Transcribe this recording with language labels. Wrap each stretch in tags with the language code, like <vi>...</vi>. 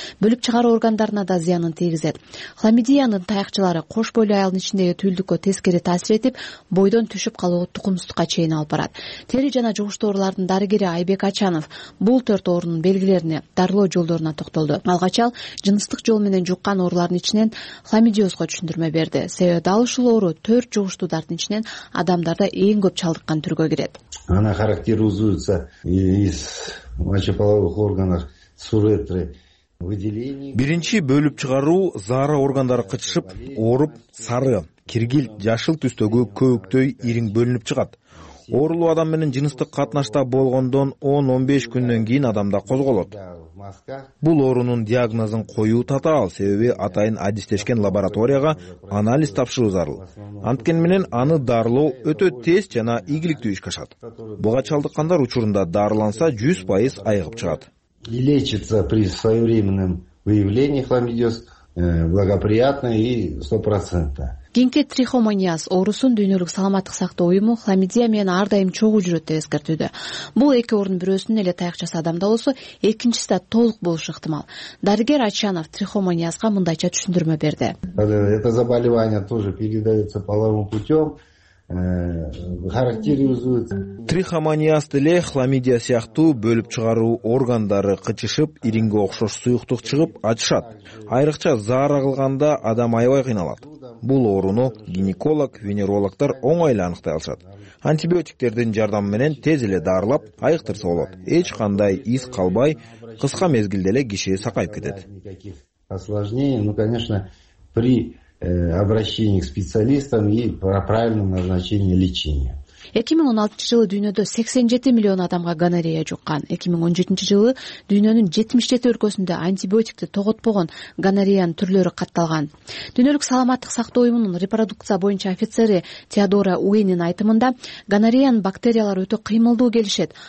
<ky>Бөлүп чыгаруу органдарына да зыянын тийгизет. Хламидиянын таякчалары кош бойлуу аялдын ичиндеги түйүлдүккө тескери таасир этип, бойдон түшүп калуу тукумсуздукка чейин алып барат. Тери жана жугуштуу оорулардын дарыгери Айбек Ачанов бул төрт оорунун белгилерине, дарылоо жолдоруна токтолду. Алгачал жыныстык жол менен жуккан оорулардын ичинен хламидиозго түшүндүрмө берди. Себеби дал ушул оору төрт жугуштуу дарттын ичинен адамдарда эң көп чалдыккан түргө кирет.</ky> <ru>Ана характеризуется из мочеполовых органов суретры.</ru> <ky>Биринчи бөлүп чыгаруу зары органдары кычышып, ооруп, сары, киргил, жашыл түстөгү көбүктөй ириң бөлүнүп чыгат. Оорулуу адам менен жыныстык катнашта болгондон 10-15 күндөн кийин адамда козголот. Бул оорунун диагнозун коюу татаал, себеби атайын адистешкен лабораторияга анализ тапшыруу зарыл. Анткени менен аны дарылоо өтө тез жана ийгиликтүү иштешет. Буга чалдыккандар учурунда дарыланса 100% айыгып чыгат.</ky> <ru>Лечится при своевременном выявлении хламидиоз благоприятно и 100%.</ru> <ky>Кинке трихоманиаз оорусун дүйнөлүк саламаттык сактоо уюму хламидия менен ар дайым чогуу жүрөт деп эскертүүдө. Бул эки оорунун бирөөсүн эле таякчасы адамда болсо, экинчиси да толук болушу ыктымал. Дарыгер Ачанов трихоманиазга мындайча түшүндүрмө берди.</ky> <ru>Это заболевание тоже передается половым путем.</ru> <ky>Трихоманиаз деле хламидия сыяктуу бөлүп чыгаруу органдары кычышып, ириңге окшош суюктук чыгып ачышат. Айрыкча заара кылганда адам аябай кыйналат. Бул ооруну гинеколог, венерологтор оңой эле аныктай алышат. Антибиотиктердин жардамы менен тез эле дарылап, айыктырса болот. Эч кандай из калбай, кыска мезгилде эле киши сакайып кетет.</ky> <ru>Обращение к специалистам и правильному назначению лечения.</ru> <ky>2016 жылы дүйнөдө 87 миллион адамга гонорея жуккан. 2017 жылы дүйнөнүн 77 өлкөсүндө антибиотикти тоготпогон гонореянын түрлөрү катталган. Дүйнөлүк саламаттык сактоо уюмунун репродукция боюнча офицери Теодора Уэнин айтымында гонореянын бактериялары өтө кыймылдуу келишет.</ky>